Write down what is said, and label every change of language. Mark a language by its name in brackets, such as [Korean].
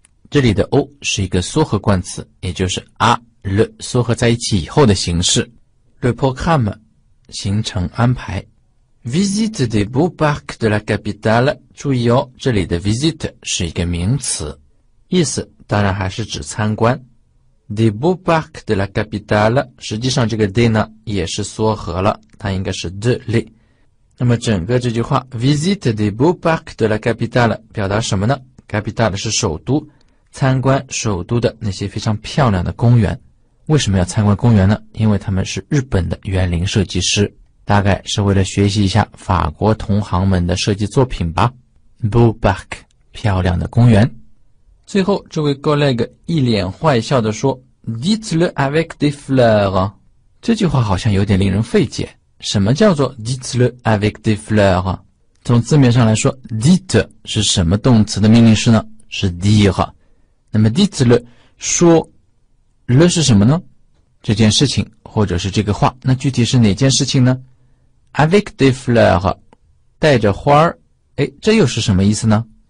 [Chinese] 这里的 au 是一个缩合冠词，也就是 à le 缩合在一起以后的形式。 [French] Le programme, [Chinese] 行程安排。 [French] Visite des beaux parcs de la capitale. [Chinese] 注意哦，这里的 visite 是一个名词，意思当然还是指参观。 [French] Des beaux parcs de la capitale， [Chinese] 实际上这个 des 呢也是缩合了，它应该是 de les。那么整个这句话 [French] visite des beaux parcs de la capitale [Chinese] 表达什么呢？ capitale 是首都，参观首都的那些非常漂亮的公园。为什么要参观公园呢？因为他们是日本的园林设计师，大概是为了学习一下法国同行们的设计作品吧。 beaux parcs 漂亮的公园。最后这位 collègue 一脸坏笑地说 [French] dites-le avec des fleurs， [Chinese] 这句话好像有点令人费解。什么叫做 [French] dites-le avec des fleurs？ [Chinese] 从字面上来说， dites 是什么动词的命令式呢？是 dire。那么 dites-le 说 le 是什么呢？这件事情或者是这个话，那具体是哪件事情呢？ [French] avec des fleurs [Chinese] 带着花儿，哎，这又是什么意思呢？